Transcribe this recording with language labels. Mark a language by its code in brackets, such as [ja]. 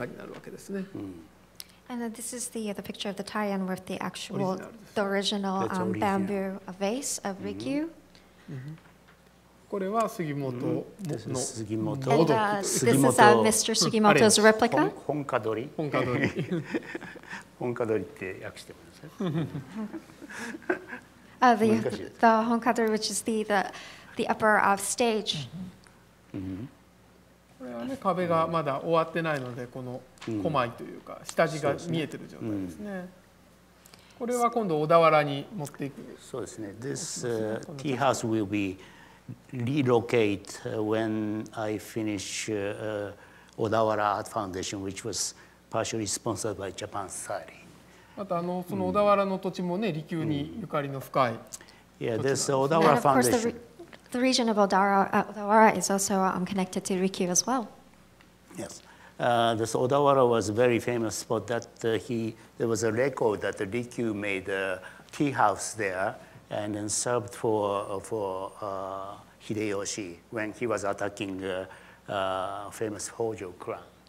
[ja] これは本家の大庵のところまに利休の竹の花入れをかけた、まあいわばこれが本家に先ほどのね、杉間さんの本家になるわけですね。And [en] this is the picture of the Taiyan with the actual bamboo vase of Rikyu. [ja] これは杉本の。 [en] This is Mr. Sugimoto's replica. [ja] 本家取り。本家取りって訳してください。 [en] The 本家取り, which is the upper of stage. [ja] これはね、壁がまだ終わってないので、この小舞というか下地が見えてる状態ですね。これは今度小田原に持っていく。そうですね。 [en] This tea house will be relocate when I finish Odawara Art Foundation, which was partially sponsored by Japan Society. [ja] またその小田原の土地もね、利休にゆかりの深い。 [en] Yeah, this Odawara Foundation. And of course, the region of Odawara is also connected to Rikyu as well. Yes. This Odawara was a very famous spot that there was a record that the Rikyu made a tea house there and then served for Hideyoshi when he was attacking the famous Hojo clan.